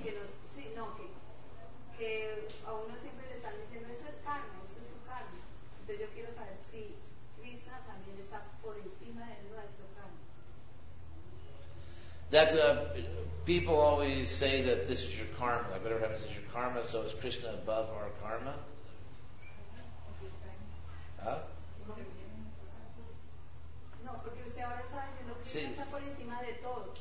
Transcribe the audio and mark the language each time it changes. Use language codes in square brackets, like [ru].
[es] Sí, que a uno siempre le están diciendo eso es carne, eso es su carne. Entonces yo quiero saber si Krishna también está por encima de nuestro carne. [en] That's a. People always say that this is your karma, like whatever happens is your karma, so is Krishna above our karma? Huh? [es] No, porque usted ahora está diciendo que Krishna está por encima de todo.